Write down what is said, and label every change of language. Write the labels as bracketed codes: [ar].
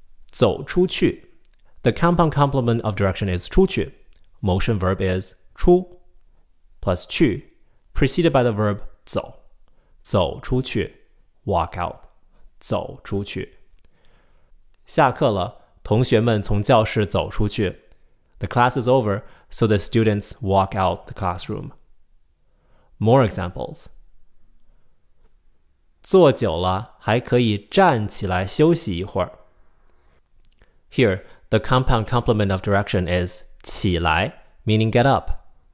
[en] 走出去, the compound complement of direction is 出去, motion verb is 出 plus 去, preceded by the verb 走. [zh] 走出去, [en] walk out. [zh] 走出去. 下课了, 同学们从教室走出去. [en] The class is over, so the students walk out the classroom. More examples. [zh] 坐久了还可以站起来休息一会儿. [en] Here, the compound complement of direction is 起来, meaning get up.